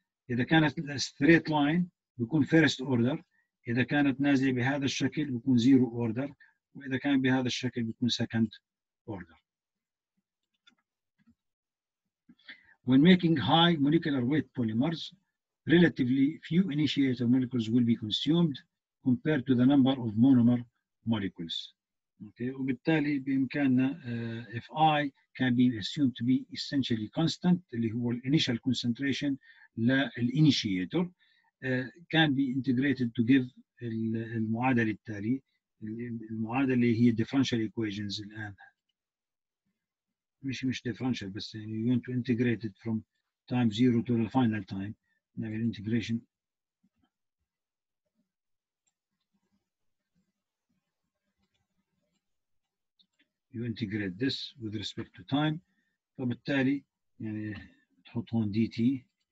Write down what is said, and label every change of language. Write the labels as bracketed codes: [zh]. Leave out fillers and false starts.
[ar] اذا كانت ستريت لاين بيكون فيرست اوردر، اذا كانت نازله بهذا الشكل بيكون زيرو اوردر، واذا كان بهذا الشكل بيكون سكند اوردر. [en] When making high molecular weight polymers, relatively few initiator molecules will be consumed compared to the number of monomer molecules. Okay. [ar] وبالتالي بإمكاننا [en] if I can be assumed to be essentially constant [ar] اللي هو [en] initial concentration للinitiator can be integrated to give [ar] المعادلة التالية، المعادلة اللي هي [en] differential equations [ar] الآن. مش [en] differential [ar] بس يعني [en] you want to integrate it from time zero to the final time. [ar] نعمل integration. [en] You integrate this with respect to time. [ar] فبالتالي يعني تحط هون dt.